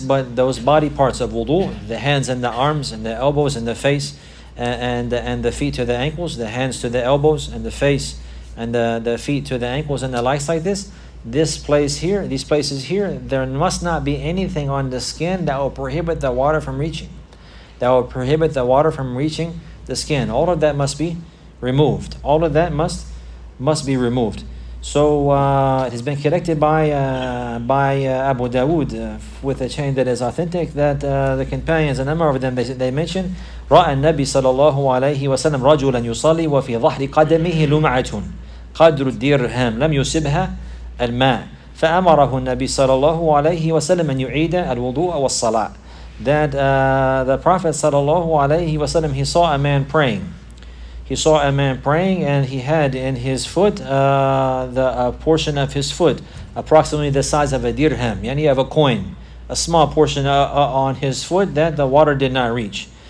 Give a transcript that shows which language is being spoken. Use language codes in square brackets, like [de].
[en] But those body parts of wudu, the hands and the arms and the elbows and the face and the feet to the ankles, the hands to the elbows and the face and the feet to the ankles and the likes like this. These places here, there must not be anything on the skin that will prohibit the water from reaching. That will prohibit the water from reaching the skin. All of that must be removed. All of that must be removed. So it has been collected by Abu Dawood with a chain that is authentic, that the companions, a number of them, they mention, [ar] رَأَى النَّبِيُّ صَلَى اللَّهُ عَلَيْهِ وَسَلَّمَ رَجُلًا يُصَلِّي وَفِي ظَهْرِ قَدَمِهِ لُمَعَةٌ قَدْرُ الدِّرْهَمِ لَمْ يُصِبْهَا الماء فأمره النبي صلى الله عليه وسلم أن يعيد الوضوء والصلاة. [en] That the Prophet [ar] صلى الله عليه وسلم, [en] he saw a man praying. He saw a man praying, and he had in his foot a portion of his foot, approximately the size of a dirham, yani of a coin, a small portion on his foot that the water did not reach.